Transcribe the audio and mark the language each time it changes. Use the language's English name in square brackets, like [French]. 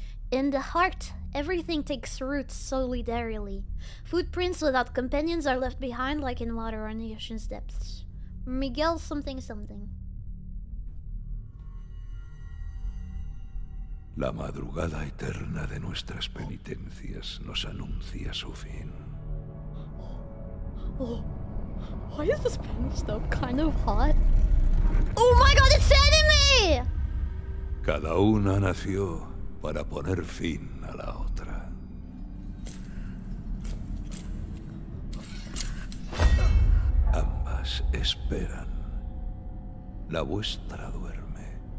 [English] In the heart, everything takes root solidarily. Footprints without companions are left behind like in water on the ocean's depths. Miguel something something. [Spanish] La madrugada eterna de nuestras penitencias nos anuncia su fin. Oh. [English] Why is the Spanish stuff kind of hot? Oh my god, it's anime! [Spanish] Cada una nació para poner fin a la otra. Ambas esperan. La vuestra duerme.